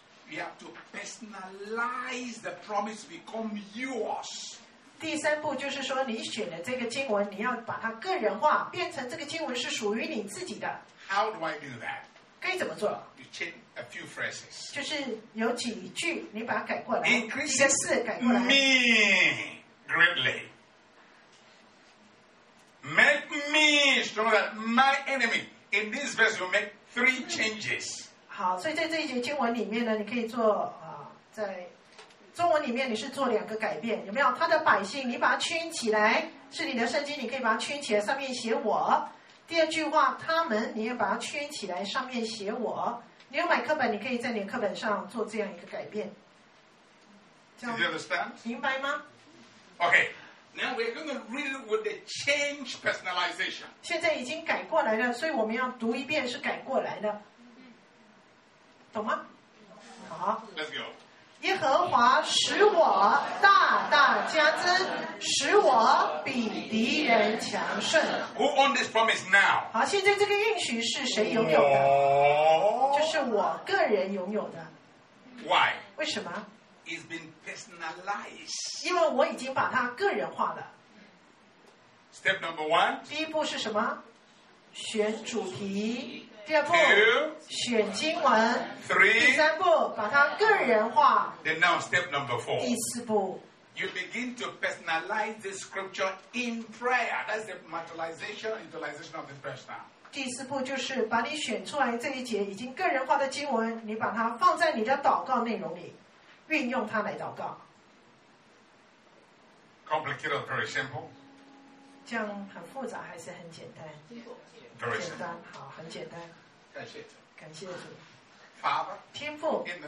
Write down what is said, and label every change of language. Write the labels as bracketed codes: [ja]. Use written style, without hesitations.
[en] You have to personalize the promise become yours. [zh] 第三步就是说，你选的这个经文，你要把它个人化，变成这个经文是属于你自己的。 [en] How do I do that? [zh] 该怎么做？ [en] A few phrases. [zh] 就是有几句你把它改过来， [en] Increase、 [zh] 一个字改过来。 [en] Me greatly, make me stronger than my enemy. In this verse, you make three changes. [zh] 好，所以在这一节经文里面呢，你可以做啊，在中文里面你是做两个改变，有没有？他的百姓，你把它圈起来，是你的圣经，你可以把它圈起来，上面写我。第二句话，他们，你也把它圈起来，上面写我。你要买课本，你可以在你课本上做这样一个改变。 [en] Do you understand? [zh] 明白吗 [en] ？Okay, now we're going to read with the change personalization. [zh] 现在已经改过来了，所以我们要读一遍是改过来的，懂吗？好 [en] ，Let's go. [zh] 耶和华使我大大加增，使我比敌人强盛。 [en] Who on this promise now? [zh] 好，现在这个应许是谁拥有的？ [en] Oh. [zh] 就是我个人拥有的。 [en] Why? [zh] 为什么？ [en] It's been personalized. [zh] 因为我已经把它个人化了。 [en] Step number one. [zh] 第一步是什么？选主题。第二步 [en] Two, [zh] 选经文 [en] three, [zh] 第三步把它个人化 [en] Then now step number four, [zh] 第四步 [en] You begin to personalize this scripture in prayer. That's the materialization and utilization of the person. [zh] 第四步就是把你选出来这一节已经个人化的经文你把它放在你的祷告内容里运用它来祷告 Complicated or very simple? 这样很复杂还是很简单简单，好，很简单。